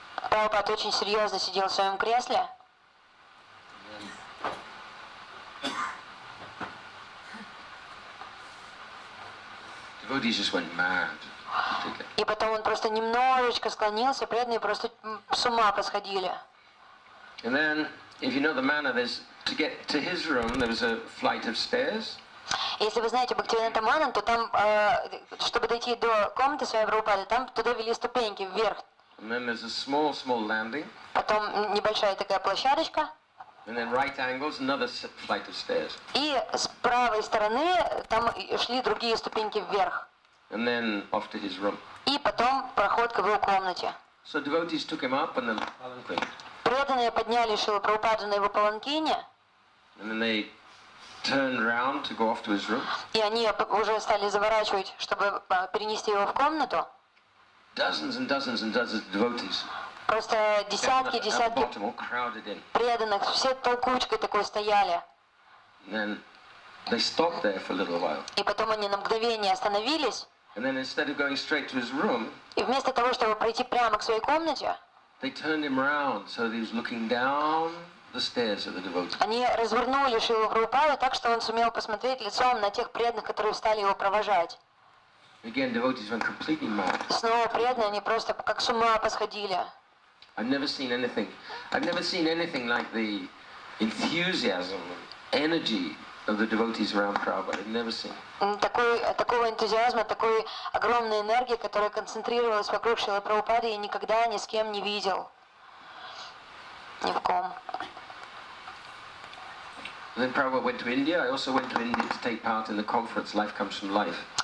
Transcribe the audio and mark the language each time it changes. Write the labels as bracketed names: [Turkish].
[Russian] Прабхупад очень серьезно сидел в своем кресле. [English] Devotees just went mad. [Russian] И потом он просто немножечко склонился, преданные просто с ума посходили. [English] And then, if you know the manner, there's to get to his room, there was a flight of stairs. [Russian] Если вы знаете Бхактивинода Мана, то там, чтобы дойти до комнаты своей Прабхупады, там туда вели ступеньки вверх. [English] And then there's a small, small landing. [Russian] Потом небольшая такая площадочка. [English] And then right angles, another flight of stairs. [Russian] И с правой стороны там шли другие ступеньки вверх. [English] And then off to his room. [Russian] И потом проход к его комнате. [English] So devotees took him up on the palanquin. [Russian] Преданные подняли Шрилу Прабхупаду на его паланкине. [English] And then they turned round to go off to his room. [Russian] И они уже стали заворачивать, чтобы перенести его в комнату. [English] Dozens and dozens and dozens of devotees. [Russian] Просто десятки, десятки преданных, все толкучкой такой стояли. [English] And then they stopped there for a little while. [Russian] И потом они на мгновение остановились. [English] And then instead of going straight to his room, [Russian] и вместо того, чтобы пройти прямо к своей комнате, [English] they turned him round so that he was looking down the stairs at the devotees. [Russian] Они развернули Шрилу Прабхупаду так, что он сумел посмотреть лицом на тех преданных, которые стали его провожать. [English] Again, devotees went completely mad. [Russian] Снова преданные, они просто как с ума посходили. [English] I've never seen anything like the enthusiasm, energy of the devotees around Prabhupada. I've never seen. [Russian] Такого энтузиазма, такой огромной энергии, которая концентрировалась вокруг Шрилы Прабхупады, я никогда ни с кем не видел. Ни в ком. [English] Then Prabhupada went to India. I also went to India to take part in the conference Life Comes from Life.